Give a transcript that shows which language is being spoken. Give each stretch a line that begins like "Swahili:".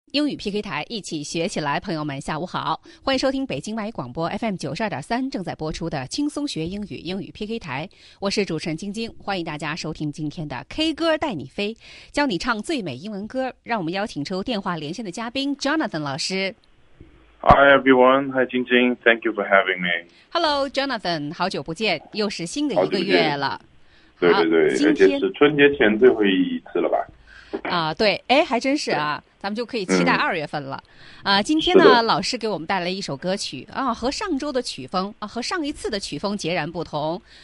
Chinese: 英语 PK 台，一起学起来，朋友们，下午好，欢迎收听北京外语广播 FM92.3 正在播出的轻松学英语英语 PK 台，我是主持人晶晶，欢迎大家收听今天的 K 歌带你飞，教你唱最美英文歌。让我们邀请出电话连线的嘉宾 Jonathan 老师。
English: Hi everyone, hi 晶晶 ，Thank you for having me.
Chinese: Hello Jonathan, 好久不见，又是新的一个月了。对对对，而且是春节前最后一次了吧？对，哎，还真是啊，咱们就可以期待二月份了。今天呢，老师给我们带来一首歌曲啊，和上周的曲风啊，和上一次的曲风截然不同。